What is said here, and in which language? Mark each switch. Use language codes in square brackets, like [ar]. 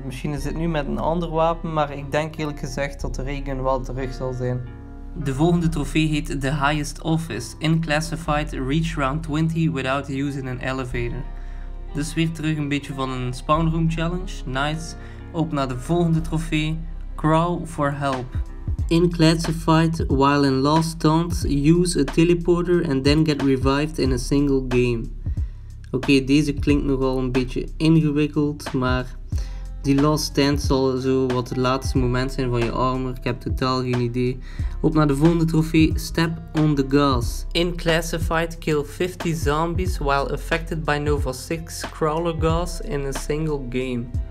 [nl] Misschien is het nu met een ander wapen, maar ik denk eerlijk gezegd dat de regen wel terug zal zijn. De volgende trofee heet [en] The Highest Office. In Classified, reach round 20 without using an elevator. [nl] Dus weer terug een beetje van een spawn room challenge. Nice. Op naar de volgende trofee. [en] Crawl for help. In Classified, while in Lost Taunt, use a teleporter and then get revived in a single game. [nl] Oké, deze klinkt nogal een beetje ingewikkeld, maar die Lost Stand zal zo wat het laatste moment zijn van je armor. Ik heb totaal geen idee. Op naar de volgende trofee, Step on the Gas. [en] In Classified, kill 50 zombies while affected by Nova 6 crawler gas in a single game.